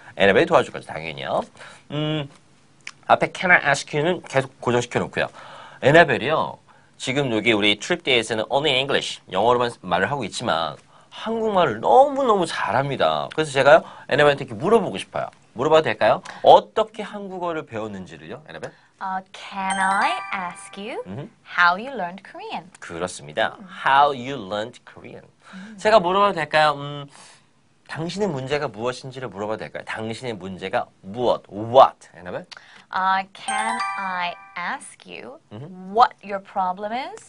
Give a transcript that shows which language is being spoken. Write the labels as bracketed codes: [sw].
[ko] 에너베이 도와줄 거죠, 당연히요. 앞에 [en] Can I ask you [ko] 는 계속 고정시켜놓고요. 에나벨이요. 지금 여기 우리 트립데이에서는 [en] Only English, [ko] 영어로만 말을 하고 있지만 한국말을 너무너무 잘합니다. 그래서 제가요, 에나벨한테 이렇게 물어보고 싶어요. 물어봐도 될까요? 어떻게 한국어를 배웠는지를요, 에나벨? [en] Can I ask you how you learned Korean? [ko] 그렇습니다. [en] How you learned Korean. [ko] 제가 물어봐도 될까요? 당신의 문제가 무엇인지를 물어봐도 될까요? 당신의 문제가 무엇? What? 여러분? [en] Can I ask you what your problem is?